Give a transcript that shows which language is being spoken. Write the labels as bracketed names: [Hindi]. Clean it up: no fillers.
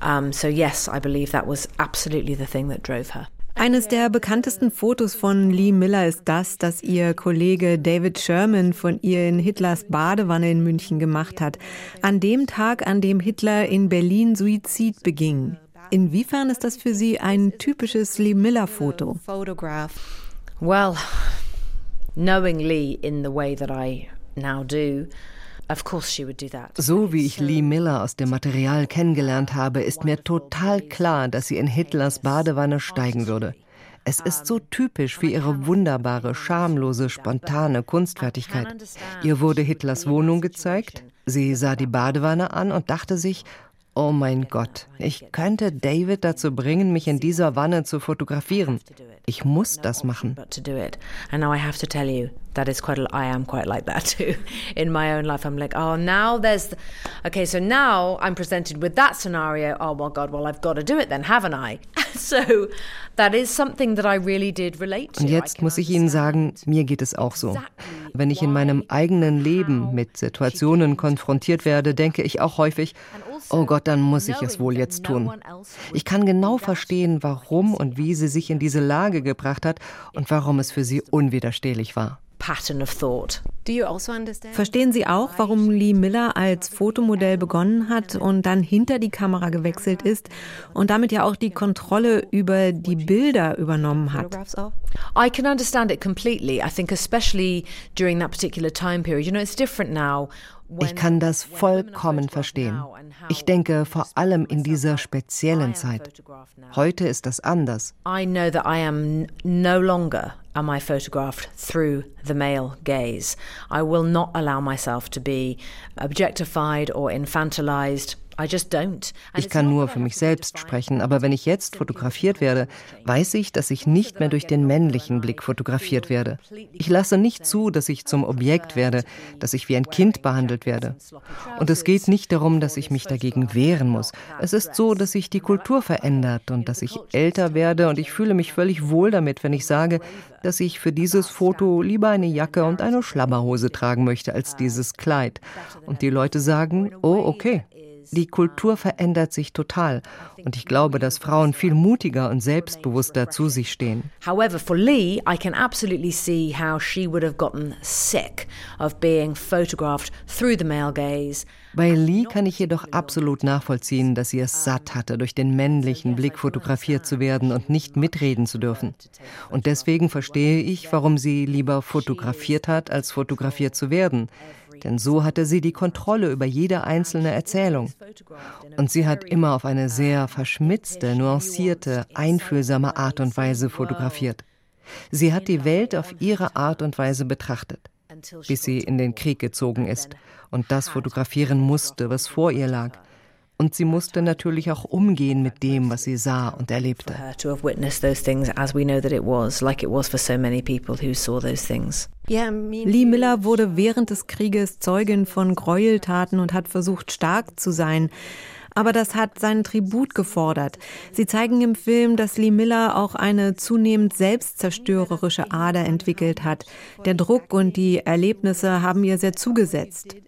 [English] So yes, I believe that was absolutely the thing that drove her. [German] Eines der bekanntesten Fotos von Lee Miller ist das, das ihr Kollege David Sherman von ihr in Hitlers Badewanne in München gemacht hat. An dem Tag, an dem Hitler in Berlin Suizid beging. Inwiefern ist das für Sie ein typisches Lee Miller-Foto? [English] Well, knowing Lee in the way that I now do, of course she would do that. [German] So wie ich Lee Miller aus dem Material kennengelernt habe, ist mir total klar, dass sie in Hitlers Badewanne steigen würde. Es ist so typisch für ihre wunderbare, schamlose, spontane Kunstfertigkeit. Ihr wurde Hitlers Wohnung gezeigt, sie sah die Badewanne an und dachte sich, oh mein Gott, ich könnte David dazu bringen, mich in dieser Wanne zu fotografieren. Ich muss das machen. [English] And now I have to tell you, That is quite. I am quite like that too. In my own life, I'm like, oh, now there's. Okay, so now I'm presented with that scenario. Oh well, God, well, I've got to do it then, haven't I? So, that is something that I really did relate to. [German] Und jetzt muss ich Ihnen sagen, mir geht es auch so. Wenn ich in meinem eigenen Leben mit Situationen konfrontiert werde, denke ich auch häufig, oh Gott, dann muss ich es wohl jetzt tun. Ich kann genau verstehen, warum und wie sie sich in diese Lage gebracht hat und warum es für sie unwiderstehlich war. [English] Pattern of thought. Do you also understand? [German] Verstehen Sie auch, warum Lee Miller als Fotomodell begonnen hat und dann hinter die Kamera gewechselt ist und damit ja auch die Kontrolle über die Bilder übernommen hat? [English] I can understand it completely. I think especially during that particular time period. You know, it's different now. [German] Ich kann das vollkommen verstehen. Ich denke vor allem in dieser speziellen Zeit. Heute ist das anders. [English] I know that I am no longer am I photographed through the male gaze. I will not allow myself to be objectified or infantilized. I just don't. [German] Ich kann nur für mich selbst sprechen, aber wenn ich jetzt fotografiert werde, weiß ich, dass ich nicht mehr durch den männlichen Blick fotografiert werde. Ich lasse nicht zu, dass ich zum Objekt werde, dass ich wie ein Kind behandelt werde. Und es geht nicht darum, dass ich mich dagegen wehren muss. Es ist so, dass sich die Kultur verändert und dass ich älter werde und ich fühle mich völlig wohl damit, wenn ich sage, dass ich für dieses Foto lieber eine Jacke und eine Schlabberhose tragen möchte als dieses Kleid. Und die Leute sagen, oh, okay. Die Kultur verändert sich total und ich glaube, dass Frauen viel mutiger und selbstbewusster zu sich stehen. [English] However, for Lee, I can absolutely see how she would have gotten sick of being photographed through the male gaze. [German] Bei Lee kann ich jedoch absolut nachvollziehen, dass sie es satt hatte, durch den männlichen Blick fotografiert zu werden und nicht mitreden zu dürfen. Und deswegen verstehe ich, warum sie lieber fotografiert hat, als fotografiert zu werden. Denn so hatte sie die Kontrolle über jede einzelne Erzählung. Und sie hat immer auf eine sehr verschmitzte, nuancierte, einfühlsame Art und Weise fotografiert. Sie hat die Welt auf ihre Art und Weise betrachtet, bis sie in den Krieg gezogen ist und das fotografieren musste, was vor ihr lag. Und sie musste natürlich auch umgehen mit dem, was sie sah und erlebte. [English] To have witnessed those things, as we know that it was, like it was for so many people who saw those things. [German] Lee Miller wurde während des Krieges Zeugin von Gräueltaten und hat versucht, stark zu sein. Aber das hat seinen Tribut gefordert. Sie zeigen im Film, dass Lee Miller auch eine zunehmend selbstzerstörerische Ader entwickelt hat. Der Druck und die Erlebnisse haben ihr sehr zugesetzt.